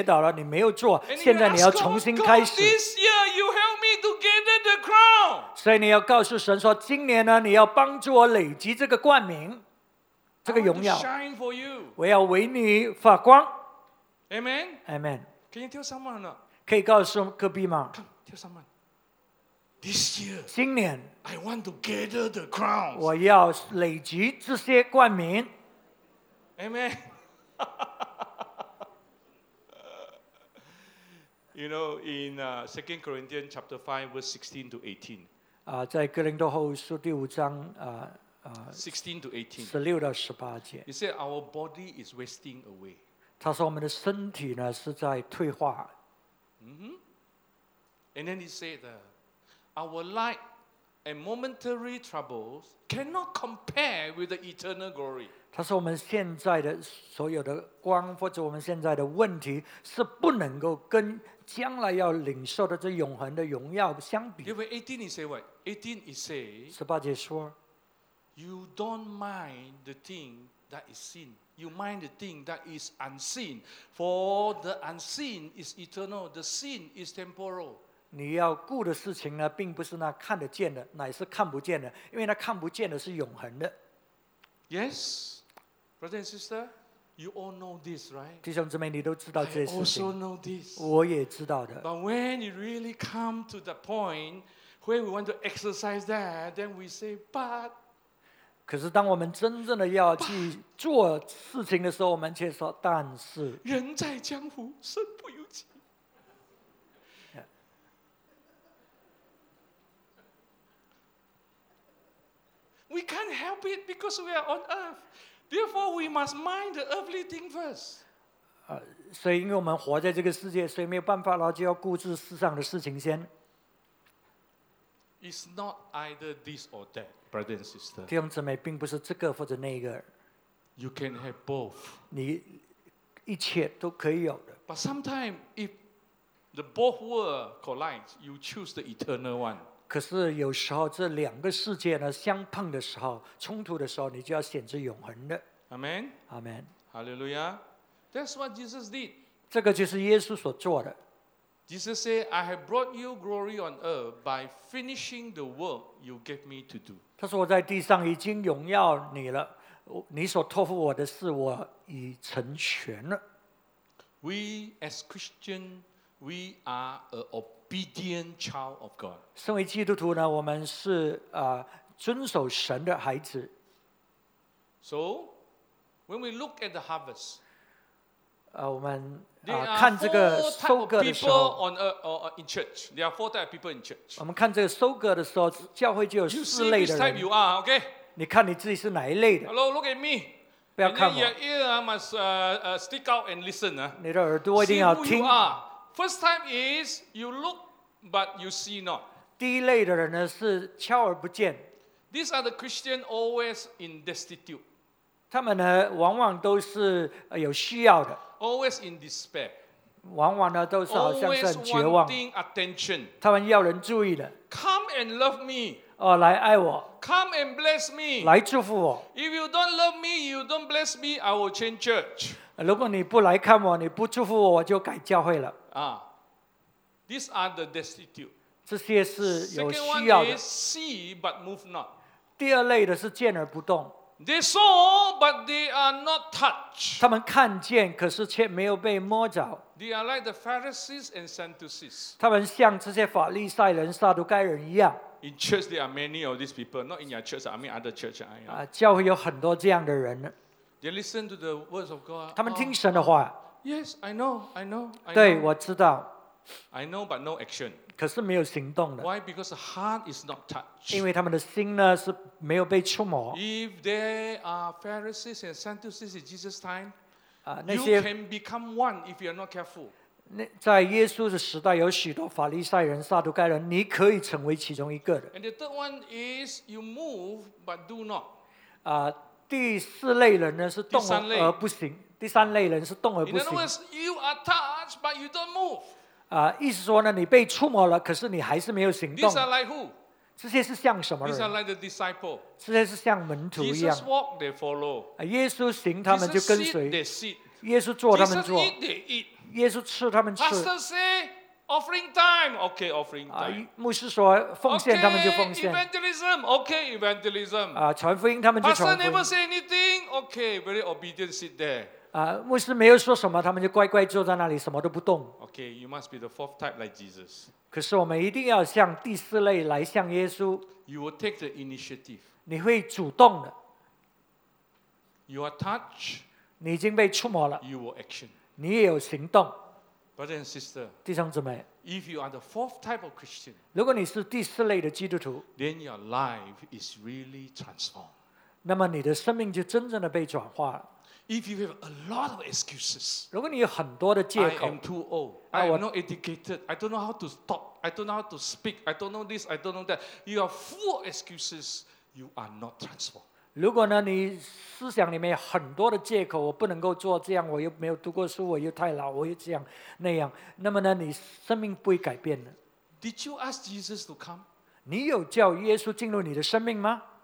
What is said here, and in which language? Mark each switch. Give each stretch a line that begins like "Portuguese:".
Chinese: 有一些你可能之前知道的，可是你跌倒了，你没有做，现在你要重新开始。
English: God, this year you help me to gather the crown.
Chinese: 所以你要告诉神说，今年呢，你要帮助我累积这个冠冕，这个荣耀。
English: I want to shine for you.
Chinese: 我要为你发光。
English: Amen. Amen. Can you tell someone or not?
Chinese: 可以告诉隔壁吗？
English: Come, tell someone. This year,
Chinese: 今年,
English: I want to gather the crowns.
Chinese: 我要累积这些冠冕。
English: Amen. You know, in 2 Corinthians chapter 5, verse 16 to 18.
Chinese: 在哥林多后书第五章,
English: 16 to 18. He said, our body is wasting away.
Chinese: 他说我们的身体呢,是在退化。
English: Mm-hmm. And then he said, Our light and momentary troubles cannot compare with the eternal glory.
Chinese: 他说我们现在的所有的光或者我们现在的问题是不能够跟将来要领受的这永恒的荣耀相比。因为
English: 18 he say what? 18 he say,
Chinese: 十八节说
English: You don't mind the thing that is seen. You mind the thing that is unseen. For the unseen is eternal. The seen is temporal.
Chinese: 你要顾的事情呢并不是那看得见的乃是看不见的因为那看不见的是永恒的。
English: Yes, brother and sister, you all know this, right?
Chinese: 弟兄姊妹，你都知道这些事情。
English: I also know this.
Chinese: 我也知道的。
English: But when you really come to the point where we want to exercise that, then we say, but.
Chinese: 可是当我们真正的要去做事情的时候，我们却说，但是。人在江湖，身不由己。
English: We can't help it because we are on earth. Therefore, we must mind the earthly thing first.
Chinese: 所以因为我们活在这个世界，所以没有办法了，就要顾自世上的事情先。
English: It's not either this or that, brother and sister.
Chinese: 弟兄姊妹，并不是这个或者那个。
English: You can have both.
Chinese: 你一切都可以有的。
English: But sometimes, if the both world collides, you choose the eternal one.
Chinese: 可是有时候这两个世界呢相碰的时候冲突的时候你就要选择永恒的
English: Amen Amen Hallelujah That's what Jesus did
Chinese: 这个就是耶稣所做的
English: Jesus said I have brought you glory on earth by finishing the work you gave me to do
Chinese: 他说我在地上已经荣耀你了你所托付我的事我已成全了
English: We as Christian we are a obedient child of God.
Chinese: 身为基督徒呢，我们是遵守神的孩子。
English: So, when we look at the harvest,
Chinese: 我们看这个收割的时候
English: ，people on earth or in church, there are four types of people in church.
Chinese: 我们看这个收割的时候，教会就有四类的人。
English: You see which type you are, okay?
Chinese: 你看你自己是哪一类的
English: ？Hello, look at me.
Chinese: 不要看我。
English: And your ear must stick out and listen.
Chinese: 你的耳朵一定要听。
English: First time is you look but you see not.
Chinese: 第一类的人呢是敲而不见。
English: These are the Christian always in destitute.
Chinese: 他们呢往往都是有需要的。
English: Always in despair.
Chinese: 往往呢都是好像是很绝望。
English: Always wanting attention.
Chinese: 他们要人注意的。
English: Come and love me.
Chinese: 来爱我。
English: Come and bless me.
Chinese: 来祝福我。
English: If you don't love me, you don't bless me, I will change church.
Chinese: 如果你不来看我，你不祝福我，我就改教会了。
English: These are the destitute.
Chinese: 这些是有需要的。
English: See but move not.
Chinese: 第二类的是见而不动。
English: They saw but they are not touched.
Chinese: 他们看见，可是却没有被摸着。
English: They are like the Pharisees and Sadducees.
Chinese: 他们像这些法利赛人、撒都该人一样。
English: In church there are many of these people. Not in your church, I mean other church.
Chinese: 教会有很多这样的人。
English: They listen to the words of God.
Chinese: 他们听神的话。
English: Yes, I know, I know, I know.
Chinese: 对，我知道。
English: I know, but no action.
Chinese: 可是没有行动的。
English: Why? Because the heart is not touched.
Chinese: 因为他们的心呢是没有被触摸。
English: If there are Pharisees and Sadducees in Jesus' time, you can become one if you are not careful.
Chinese: 在耶稣的时代，有许多法利赛人、撒都该人，你可以成为其中一个的。
English: And the third one is you move but do not.
Chinese: 第四类人呢是动而不行。第三类人是动而不行。
English: In other words, you are touched, but you don't move.
Chinese: 意思说呢，你被触摸了，可是你还是没有行动。
English: These are like who?
Chinese: 这些是像什么人
English: ？These are like the disciple.
Chinese: 这些是像门徒一样。
English: Jesus walk, they follow.
Chinese: 耶稣行，他们就跟随。
English: Jesus sit, they sit.
Chinese: 耶稣坐，他们坐。
English: Jesus eat, they eat.
Chinese: 耶稣吃，他们吃。
English: Pastor say, offering time. Okay, offering time.
Chinese: 牧师说奉献，他们就奉献。
English: Okay, evangelism. Okay, evangelism.
Chinese: 传福音，他们就传福音。
English: Pastor never say anything. Okay, very obedient, sit there.
Chinese: 牧师没有说什么，他们就乖乖坐在那里，什么都不动。
English: Okay, you must be the fourth type like Jesus.
Chinese: 可是我们一定要像第四类来像耶稣。
English: You will take the initiative.
Chinese: 你会主动的。
English: You are touched.
Chinese: 你已经被触摸了。
English: You will action.
Chinese: 你也有行动。
English: Brother and sister.
Chinese: 弟兄姊妹。
English: If you are the fourth type of Christian.
Chinese: 如果你是第四类的基督徒。
English: Then your life is really transformed.
Chinese: 那么你的生命就真正的被转化了。
English: If you have a lot of excuses,
Chinese: 如果你有很多的借口
English: I am too old, I am not educated, I don't know how to talk I don't know how to speak. I don't know this. I don't know that. You are full of excuses. You are not transformed.
Chinese: 如果呢，你思想里面有很多的借口，我不能够做这样，我又没有读过书，我又太老，我又这样那样，那么呢，你生命不会改变的。
English: Did you ask Jesus to come?
Chinese: 你有叫耶稣进入你的生命吗？